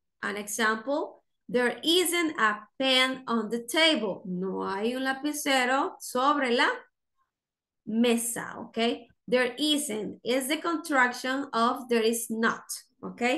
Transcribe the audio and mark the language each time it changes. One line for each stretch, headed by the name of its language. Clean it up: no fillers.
English: An example, there isn't a pen on the table.
Spanish: No hay un lapicero sobre la mesa, ¿ok?
English: There isn't is the contraction of there is not, ¿ok?